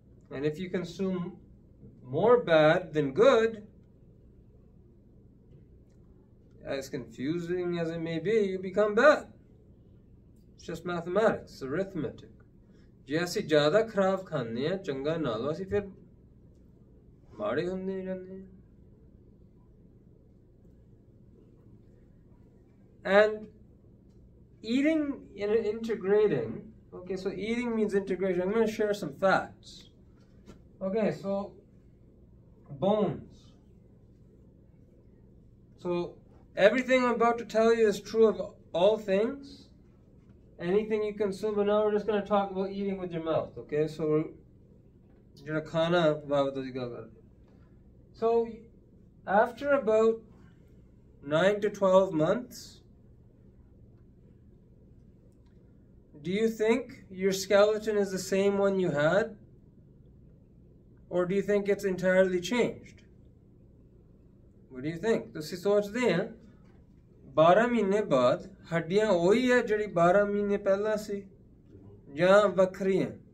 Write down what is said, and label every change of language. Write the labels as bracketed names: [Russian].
[English] And if you consume more bad than good, as confusing as it may be, you become bad. It's just mathematics, it's arithmetic. [Punjabi] ਜੇ ਅਸੀਂ ਜ਼ਿਆਦਾ ਖਰਾਬ ਖਾਂਦੇ ਹਾਂ ਚੰਗਾ ਨਾ ਲਓ ਅਸੀਂ ਫਿਰ ਮਾੜੇ ਹੁੰਦੇ ਜਾਂਦੇ ਹਾਂ [English] And eating integrating okay so eating means integration I am going to share some facts okay so bonus so everything I am about to tell you is true of all things Anything you consume, but now we're just going to talk about eating with your mouth, okay? So, you're going to eat. So, after about 9 to 12 months, do you think your skeleton is the same one you had? Or do you think it's entirely changed? What do you think? So, see, so it's there. [Punjabi] 12 ਮਹੀਨੇ ਬਾਅਦ ਹੱਡੀਆਂ ਉਹੀ ਹੈ ਜਿਹੜੀ 12 ਮਹੀਨੇ ਪਹਿਲਾਂ ਸੀ ਜਾਂ ਵੱਖਰੀਆਂ